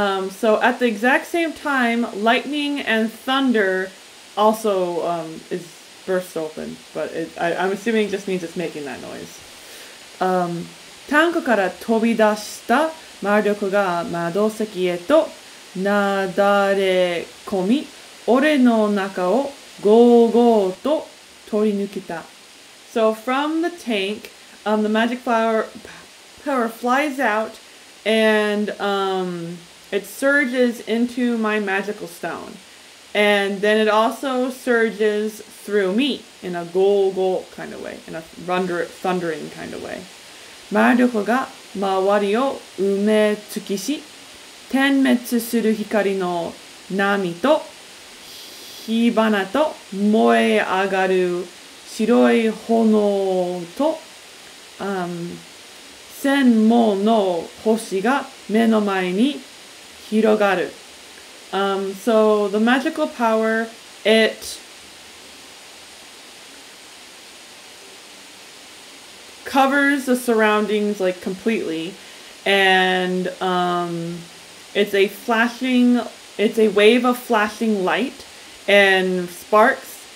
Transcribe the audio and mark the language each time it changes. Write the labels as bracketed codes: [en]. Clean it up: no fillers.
[en] So at the exact same time, lightning and thunder also is burst open, but I'm assuming it just means it's making that noise. [ja] タンクから飛び出した魔力が窓石へとなだれ込み、俺の中をゴーゴーと取り抜けた。 [en] So from the tank, the magic power flies out and it surges into my magical stone. And then it also surges through me in a go-go kind of way, in a thundering kind of way. [ja] 魔力が周りを埋め尽くし、点滅する光の波と火花と燃え上がる白い炎と、千もの星が目の前に広がる。 [en] So the magical power, it covers the surroundings like completely, and it's a wave of flashing light and sparks